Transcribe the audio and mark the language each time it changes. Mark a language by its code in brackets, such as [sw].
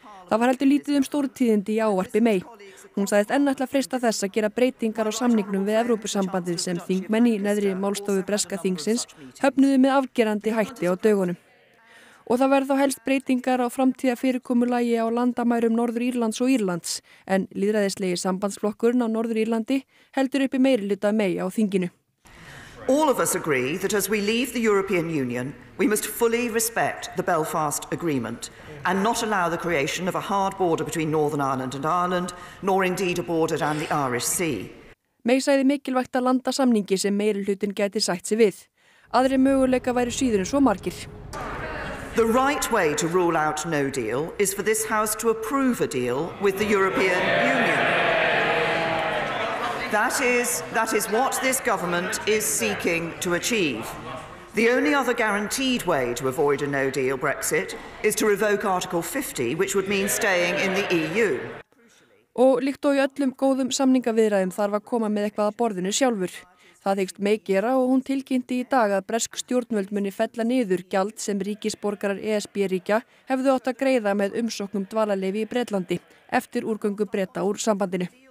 [is] Það var heldur lítið stóru tíðindi í ávarpi May. Hún sagðist enn ætla freista þess að gera breytingar á samningnum við Evrópusambandið sem þingmenn í neðri málstofu breska þingsins höfnuðu með afgerandi hætti á dögunum. Og það verður þá helst breytingar á framtíða fyrirkomulagi á landamærum Norður Írlands og Írlands, en lýðræðislegi sambandsflokkurinn á Norður Írlandi heldur uppi meiri hluta May á þinginu. [en] All of us agree that as we leave the European Union, we must fully respect the Belfast Agreement and not allow the creation of a hard border between Northern Ireland and Ireland, nor indeed a border down the Irish Sea. [is] May sagði mikilvægt að landa samningi sem meiri hlutin gæti sætt sig við. Aðri möguleika væri síður en svo margir. [en] The right way to rule out no deal is for this house to approve a deal with the European Union. That is what this government is seeking to achieve. The only other guaranteed way to avoid a no deal Brexit is to revoke Article 50, which would mean staying in the EU. [is] Og líkt og í öllum góðum samningaviðræðum þarf að koma með eitthvað að borðinu sjálfur. Það þykst May gera og hún tilkynnti í dag að bresk stjórnvöld muni fella niður gjald sem ríkisborgarar ESB-ríkja hefðu átt að greiða með umsóknum dvalarleyfi í Bretlandi eftir úrgöngu Breta úr sambandinu.